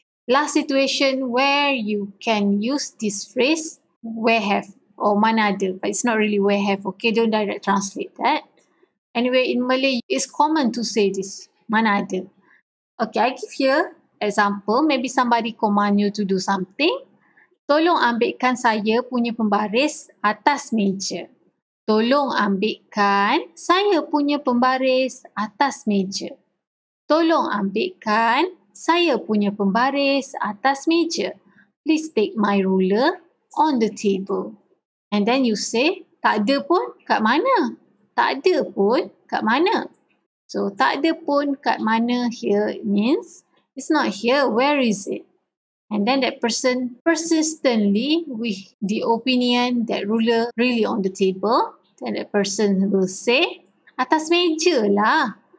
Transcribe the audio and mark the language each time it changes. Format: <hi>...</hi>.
<en>Last situation where you can use this phrase, where have or</en> <ms>mana ada,</ms> <en>but it's not really where have, okay? Don't direct translate that. Anyway, in Malay, it's common to say this,</en> <ms>mana ada.</ms> <en>Okay, I give here example, maybe somebody command you to do something.</en> <ms>Tolong ambilkan saya punya pembaris atas meja. Tolong ambilkan saya punya pembaris atas meja. Tolong ambilkan saya punya pembaris atas meja.</ms> <en>Please take my ruler on the table. And then you say,</en> <ms>tak ada pun kat mana? Tak ada pun kat mana?</ms> <en>So,</en> <ms>tak ada pun kat mana</ms> <en>here means, it's not here, where is it? And then that person persistently with the opinion that ruler really on the table, then that person will say,</en> <ms>atas meja lah.</ms>